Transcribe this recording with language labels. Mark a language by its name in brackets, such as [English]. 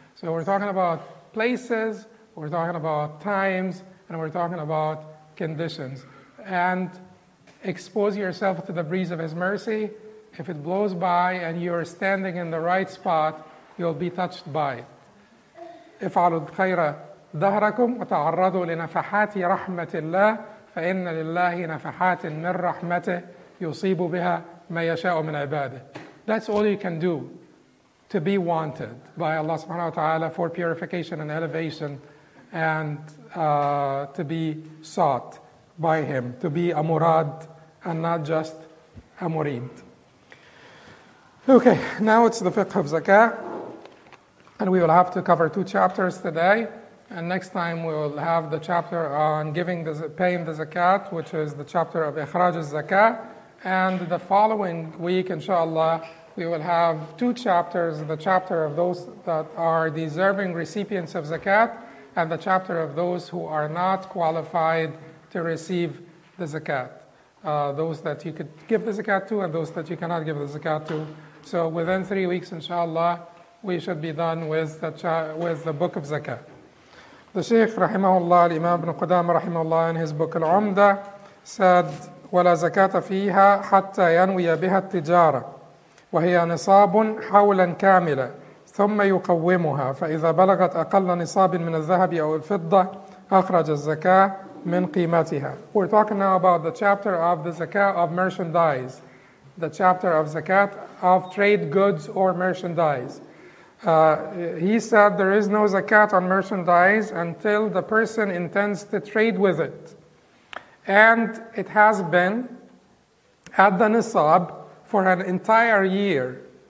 [English] So we're talking about places, we're talking about times, and we're talking about conditions, and expose yourself to the breeze of His mercy. If it blows by and you're standing in the right spot, you'll be touched by it. [Arabic] افعلوا الخير دهركم وتعرضوا لنفحات رحمة الله فإن لله نفحات من رحمته يصيب بها ما يشاء من عباده. [English] That's all you can do to be wanted by Allah subhanahu wa ta'ala for purification and elevation, and to be sought by Him, to be a murad and not just a murid. Okay, now it's the fiqh of zakah. And we will have to cover two chapters today. And next time we will have the chapter on giving the paying the zakat, which is the chapter of ikhraj al-zakah. And the following week, inshallah, we will have two chapters, the chapter of those that are deserving recipients of zakat and the chapter of those who are not qualified to receive the zakat. Those that you could give the zakat to and those that you cannot give the zakat to. So within 3 weeks, inshallah, we should be done with the book of zakat. The Shaykh, rahimahullah, Imam ibn Qudamah, rahimahullah, in his book Al-Umda, said, [Arabic] وَلَا زَكَاةَ فِيهَا حَتَّى يَنْوِيَ بِهَا التِّجَارَةِ وَهِيَ نِصَابٌ حَوْلًا كَامِلًا ثُمَّ يُقَوِّمُهَا فَإِذَا بَلَغَتْ أَقَلَّ نِصَابٍ مِنَ الذَّهَبِ أَوْ الْفِضَّةِ أَخْرَجَ الزَّكَاةَ مِنْ قِيمَتِهَا. [English] We're talking now about the chapter of the zakat of merchandise, the chapter of zakat of trade goods or merchandise. He said there is no zakat on merchandise until the person intends to trade with it. And it has been at the nisab for an entire year.